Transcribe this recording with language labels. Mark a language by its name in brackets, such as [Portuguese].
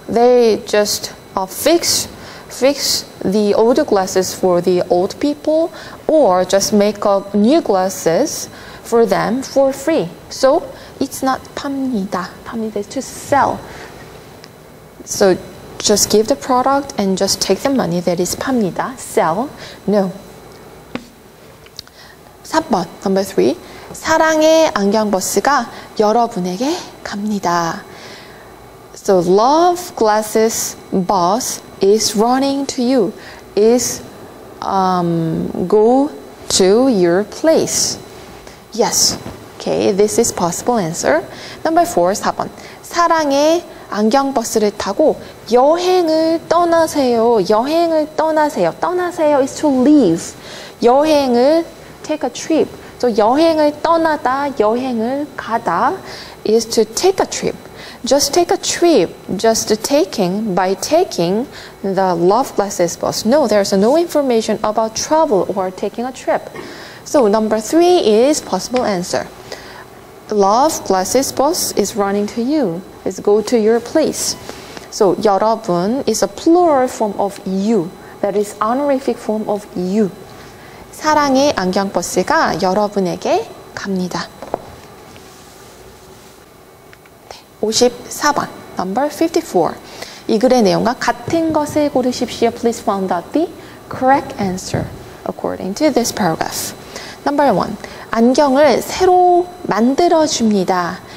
[English] They just fix the old glasses for the old people or just make up new glasses for them for free. So, it's not 팝니다. 팝니다 is to sell. So, just give the product and just take the money that is 팝니다. Sell. No. [Korean] 3번, [English] number 3. [Korean] 사랑의 안경 버스가 여러분에게 갑니다. [English] So, love glasses bus is running to you, is go to your place. Yes, okay, this is possible answer. Number 4, [Korean] 4번. 사랑의 안경 버스를 타고 여행을 떠나세요. 여행을 떠나세요. [English] 떠나세요 is to leave. 여행을, take a trip. So [Korean] 여행을 떠나다, 여행을 가다 [English] is to take a trip. Just take a trip, just taking the love glasses bus. No, there's no information about travel or taking a trip. So number 3 is possible answer. Love glasses bus is running to you. Is go to your place. So 여러분 is a plural form of you. That is honorific form of you. [Korean] 사랑의 안경 버스가 여러분에게 갑니다. 54번, [English] number 54. [Korean] 이 글의 내용과 같은 것을 고르십시오. [English] Please find out the correct answer according to this paragraph. Number 1. [Korean] 안경을 새로 만들어줍니다.